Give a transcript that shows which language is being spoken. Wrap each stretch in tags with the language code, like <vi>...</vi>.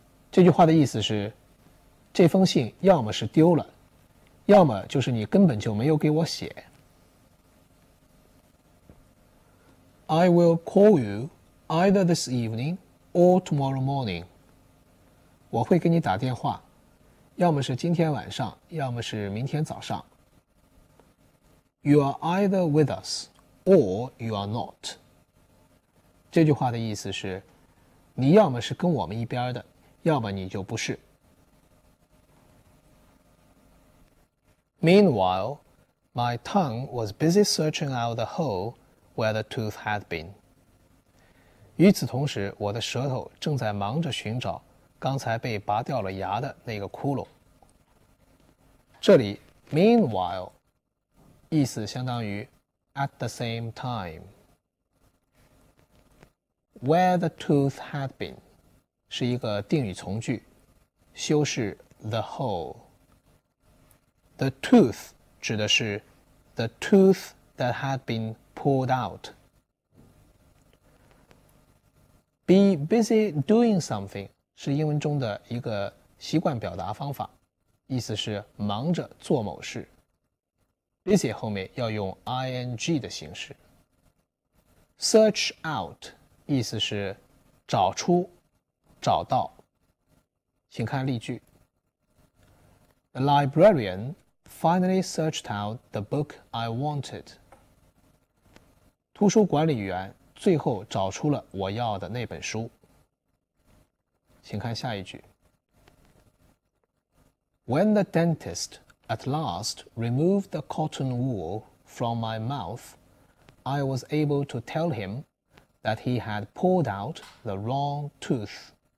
<zh>这句话的意思是，这封信要么是丢了，要么就是你根本就没有给我写。</zh> <en>I will call you either this evening or tomorrow morning.</en> <zh>我会给你打电话。要么是今天晚上，要么是明天早上。</zh> <en>You are either with us, or you are not.</en> <zh>这句话的意思是，你要么是跟我们一边的，要么你就不是。</zh> <en>Meanwhile, my tongue was busy searching out the hole where the tooth had been.</en> <zh>与此同时，我的舌头正在忙着寻找刚才被拔掉了牙的那个窟窿。这里 meanwhile 意思相当于</zh> <en>at the same time。 Where the tooth had been</en> <zh>是一个定语从句，修饰</zh> <en>the hole。 The tooth</en> <zh>指的是</zh> <en>the tooth that had been pulled out。 Be busy doing something</en> <zh>是英文中的一个习惯表达方法，意思是忙着做某事。 busy 后面要用 ing 的形式。search out 意思是找出找到。请看例句。</zh> <en>The librarian finally searched out the book I wanted.</en> <zh>图书管理员最后找出了我要的那本书。请看下一句。</zh> <en>When the dentist at last removed the cotton wool from my mouth, I was able to tell him that he had pulled out the wrong tooth.</en>